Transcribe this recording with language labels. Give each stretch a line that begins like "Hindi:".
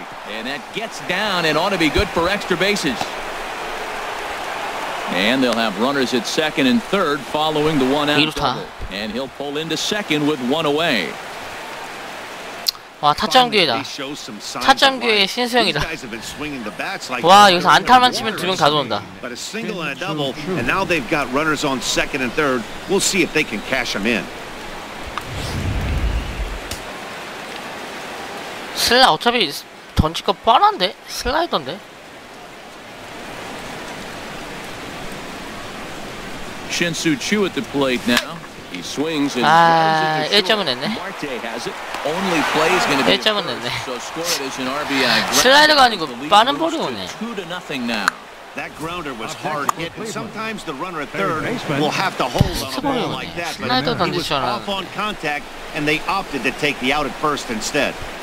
English: And that gets down and ought to be good for extra bases. And they'll have runners at second and third following the one out double. And he'll pull into second with one away.
Korean: 와 타점 기회다. 타점 기회의 신수영이다. 와 여기서 안타만 치면 두 명 다 돌아온다.
English: But a single and a double, and now they've got runners on second and third. We'll see if they can cash them in.
Korean: 슬라 어차피 던질 거 뻔한데 슬라이던데.
English: Shinsu Chu at the plate now. He swings and throws it to short. Marte has it. Only play is going to be a first. So score it as an RBI.
Korean: 슬라이더가 아니고 빠른 볼이 오네.
English: 2 to nothing now. That grounder was hard hit. Sometimes the runner at third will have to hold on a ball like that.
Korean: 슬라이더 던지지 않아.
English: Off on contact and they opted to take the out at first instead.